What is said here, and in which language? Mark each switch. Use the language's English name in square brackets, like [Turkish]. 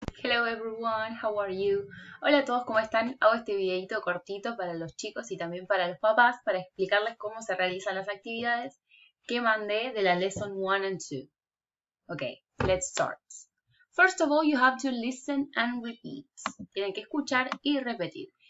[English] Hello everyone, how are you? [Spanish] Hola a todos, ¿cómo están? Hago este videito cortito para los chicos y también para los papás para explicarles cómo se realizan las actividades que mandé de la [English] lesson 1 and 2. Ok, let's start. First of all, you have to listen and repeat. [Spanish] Tienen que escuchar y repetir.